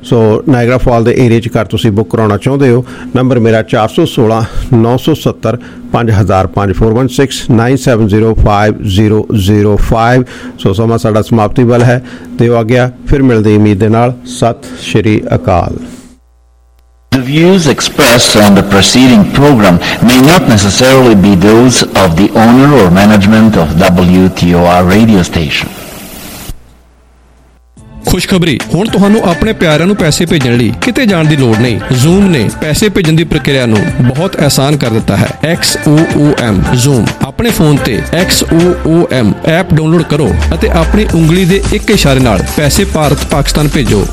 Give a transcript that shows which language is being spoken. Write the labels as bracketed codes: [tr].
[pa] ਸੋ Niagara fall ਦੇ ਏਰੀਏ 'ਚ ਘਰ ਤੁਸੀਂ ਬੁੱਕ ਕਰਾਉਣਾ ਚਾਹੁੰਦੇ ਹੋ, ਨੰਬਰ ਮੇਰਾ 416-970-5005-416-970-5005। ਸੋ ਸਮਾਂ ਸਾਡਾ ਸਮਾਪਤੀ ਵੱਲ ਹੈ ਅਤੇ ਉਹ ਆ ਗਿਆ, ਫਿਰ ਮਿਲਦੇ ਉਮੀਦ ਦੇ ਨਾਲ। ਸਤਿ ਸ਼੍ਰੀ ਅਕਾਲ। [en] The views expressed on the preceding program may not necessarily be those of the owner or management of WTOR radio station. [pa] ਖੁਸ਼ਖਬਰੀ, ਹੁਣ ਤੁਹਾਨੂੰ ਆਪਣੇ ਪਿਆਰਿਆਂ ਨੂੰ ਪੈਸੇ ਭੇਜਣ ਲਈ ਕਿਤੇ ਜਾਣ ਦੀ ਲੋੜ ਨਹੀਂ। ਜ਼ੂਮ ਨੇ ਪੈਸੇ ਭੇਜਣ ਦੀ ਪ੍ਰਕਿਰਿਆ ਨੂੰ ਬਹੁਤ ਆਸਾਨ ਕਰ ਦਿੱਤਾ ਹੈ। XOOM ਜ਼ੂਮ ਆਪਣੇ ਫੋਨ ਤੇ XOOM ਐਪ ਡਾਊਨਲੋਡ ਕਰੋ ਅਤੇ ਆਪਣੀ ਉਂਗਲੀ ਦੇ ਇੱਕ ਇਸ਼ਾਰੇ ਨਾਲ ਪੈਸੇ ਭਾਰਤ ਪਾਕਿਸਤਾਨ ਭੇਜੋ।